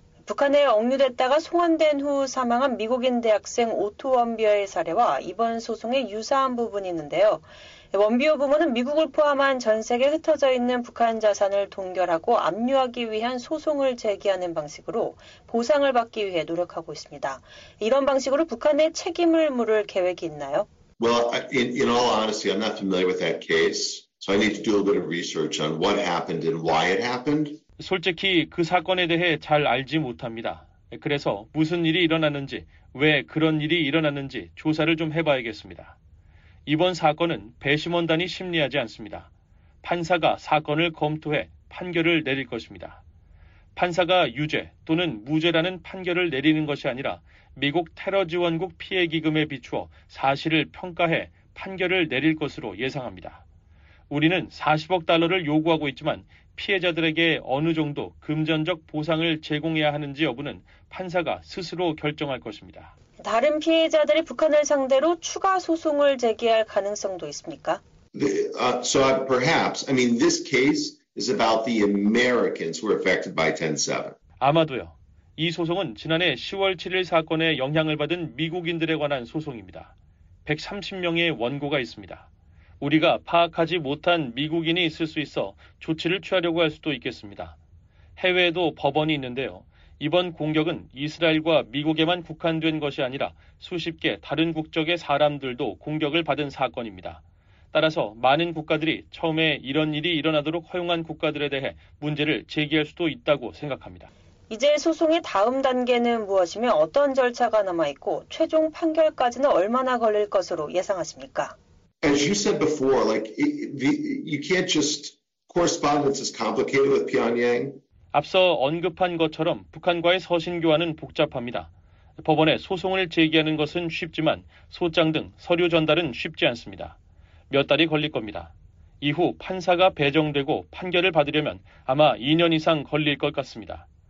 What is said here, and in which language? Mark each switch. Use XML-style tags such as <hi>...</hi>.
<ko>북한에 억류됐다가 송환된 후 사망한 미국인 대학생 오토 원비어의 사례와 이번 소송에 유사한 부분이 있는데요. 원비어 부모는 미국을 포함한 전 세계에 흩어져 있는 북한 자산을 동결하고 압류하기 위한 소송을 제기하는 방식으로 보상을 받기 위해 노력하고 있습니다. 이런 방식으로 북한에 책임을 물을 계획이 있나요?</ko> <en>Well, in all honesty, I'm not familiar with that case, so I need to do a bit of research on what happened and why it happened.</en> <ko>솔직히 그 사건에 대해 잘 알지 못합니다. 그래서 무슨 일이 일어났는지, 왜 그런 일이 일어났는지 조사를 좀 해봐야겠습니다. 이번 사건은 배심원단이 심리하지 않습니다. 판사가 사건을 검토해 판결을 내릴 것입니다. 판사가 유죄 또는 무죄라는 판결을 내리는 것이 아니라 미국 테러지원국 피해기금에 비추어 사실을 평가해 판결을 내릴 것으로 예상합니다. 우리는 40억 달러를 요구하고 있지만 피해자들에게 어느 정도 금전적 보상을 제공해야 하는지 여부는 판사가 스스로 결정할 것입니다. 다른 피해자들이 북한을 상대로 추가 소송을 제기할 가능성도 있습니까?</ko> <en>So perhaps, I mean, this case is about the Americans who are affected by 10/7.</en> <ko>아마도요. 이 소송은 지난해 10월 7일 사건에 영향을 받은 미국인들에 관한 소송입니다. 130명의 원고가 있습니다. 우리가 파악하지 못한 미국인이 있을 수 있어 조치를 취하려고 할 수도 있겠습니다. 해외에도 법원이 있는데요. 이번 공격은 이스라엘과 미국에만 국한된 것이 아니라 수십 개 다른 국적의 사람들도 공격을 받은 사건입니다. 따라서 많은 국가들이 처음에 이런 일이 일어나도록 허용한 국가들에 대해 문제를 제기할 수도 있다고 생각합니다. 이제 소송의 다음 단계는 무엇이며 어떤 절차가 남아있고 최종 판결까지는 얼마나 걸릴 것으로 예상하십니까?</ko> <en>As you said before, like, you can't just, correspondence is complicated with Pyongyang.</en> <ko>앞서 언급한 것처럼 북한과의 서신 교환은 복잡합니다. 법원에 소송을 제기하는 것은 쉽지만 소장 등 서류 전달은 쉽지 않습니다. 몇 달이 걸릴 겁니다. 이후 판사가 배정되고 판결을 받으려면 아마 2년 이상 걸릴 것 같습니다.</ko>